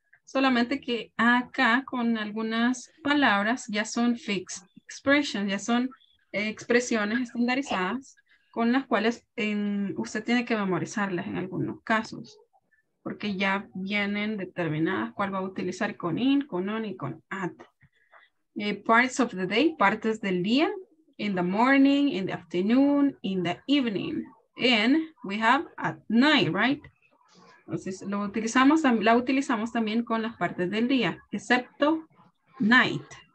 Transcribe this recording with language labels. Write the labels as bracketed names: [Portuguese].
[Spanish] Solamente que acá con algunas palabras ya son [English] fixed expressions, [Spanish] ya son expresiones estandarizadas con las cuales usted tiene que memorizarlas en algunos casos. porque ya vienen determinadas cuál va a utilizar con in, con on y con at. [English] Parts of the day, [Spanish] partes del día, [English] in the morning, in the afternoon, in the evening. And we have at night, right? [Spanish] Entonces lo utilizamos, la utilizamos también con las partes del día, excepto night.